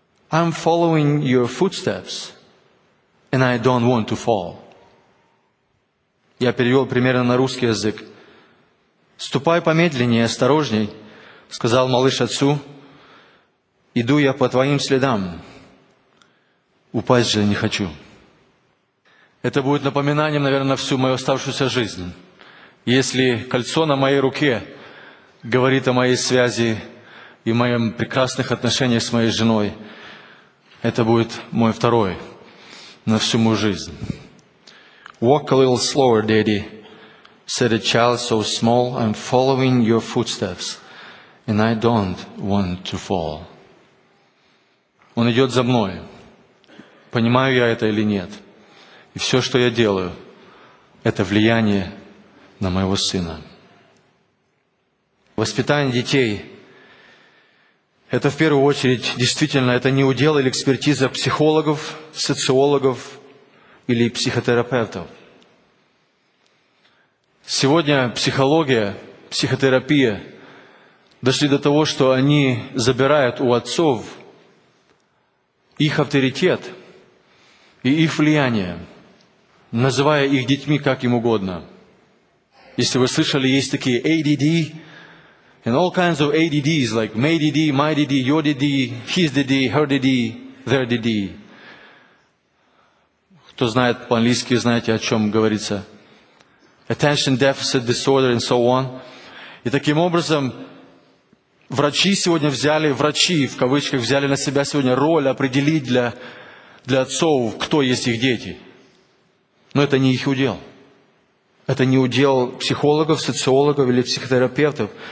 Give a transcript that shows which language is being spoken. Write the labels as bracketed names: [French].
[English] «I'm following your footsteps, and I don't want to fall». [Russian] Я перевел примерно на русский язык. «Ступай помедленнее, осторожней», — сказал малыш отцу. «Иду я по твоим следам. Упасть же не хочу». Это будет напоминанием, наверное, всю мою оставшуюся жизнь. Если кольцо на моей руке говорит о моей связи и моем прекрасных отношениях с моей женой, это будет мой второй на всю мою жизнь. [English] «Walk a little slower, daddy», said a child so small, I'm following your footsteps, and I don't want to fall. [Russian] Он идет за мной. Понимаю я это или нет? И все, что я делаю, это влияние на моего сына. Воспитание детей – это в первую очередь, действительно, это не удел или экспертиза психологов, социологов или психотерапевтов. Сегодня психология, психотерапия дошли до того, что они забирают у отцов их авторитет и их влияние, называя их детьми как им угодно. Если вы слышали, есть такие [English] ADD, and all kinds of ADDs, like MADD, MIDD, YOURDD, HISDD, HERDD, THEIRDD. [Russian] Кто знает по-английски, знаете, о чем говорится. [English] Attention deficit disorder and so on. [Russian] И таким образом, врачи в кавычках взяли на себя сегодня роль определить для отцов, кто есть их дети. Но это не их удел. Это не удел психологов, социологов или психотерапевтов.